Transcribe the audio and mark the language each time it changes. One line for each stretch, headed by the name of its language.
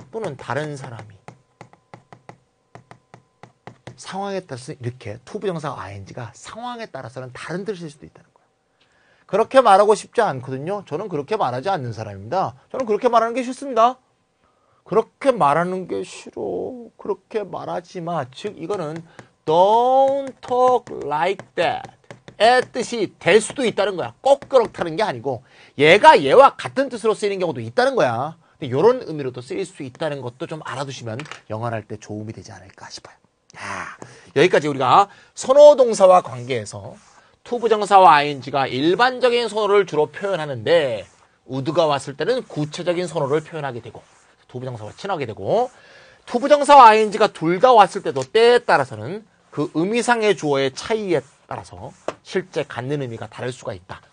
Korean: 또는 다른 사람이. 상황에 따라서 이렇게 투부정사 ing가 상황에 따라서는 다른 뜻일 수도 있다는 거야. 그렇게 말하고 싶지 않거든요. 저는 그렇게 말하지 않는 사람입니다. 저는 그렇게 말하는 게 싫습니다. 그렇게 말하는 게 싫어. 그렇게 말하지 마. 즉 이거는
English: don't talk like that.
Korean: 의 뜻이 될 수도 있다는 거야. 꼭 그렇다는 게 아니고 얘가 얘와 같은 뜻으로 쓰이는 경우도 있다는 거야. 근데 이런 의미로도 쓰일 수 있다는 것도 좀 알아두시면 영어할 때 도움이 되지 않을까 싶어요. 야, 여기까지 우리가 선호동사와 관계해서 투부정사와 ing가 일반적인 선호를 주로 표현하는데 우드가 왔을 때는 구체적인 선호를 표현하게 되고 투부정사와 친하게 되고 투부정사와 ing가 둘 다 왔을 때도 때에 따라서는 그 의미상의 주어의 차이에 따라서 실제 갖는 의미가 다를 수가 있다.